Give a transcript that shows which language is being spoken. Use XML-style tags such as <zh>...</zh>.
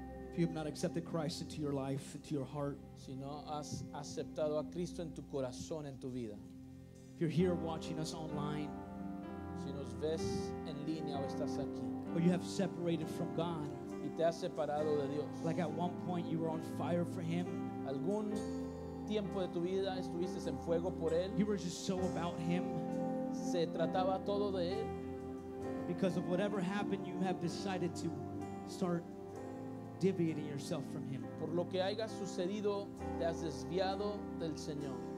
<en>If you have not accepted Christ into your life, into your heart,</en> <es>si no has aceptado a Cristo en tu corazón, en tu vida.</es> <en>If you're here watching us online,</en> <es>si nos ves en línea o estás aquí,</es> <en>or you have separated from God,</en> <es>y te has separado de Dios,</es> <en>like at one point you were on fire for Him,</en> <es>algún tiempo de tu vida estuviste en fuego por Él,</es> <en>you were just so about Him.</en> <es>Se trataba todo de él.</es> <en>Because of whatever happened, you have decided to start deviating yourself from him.</en> <es>Por lo que haya sucedido, te has desviado del Señor.</es>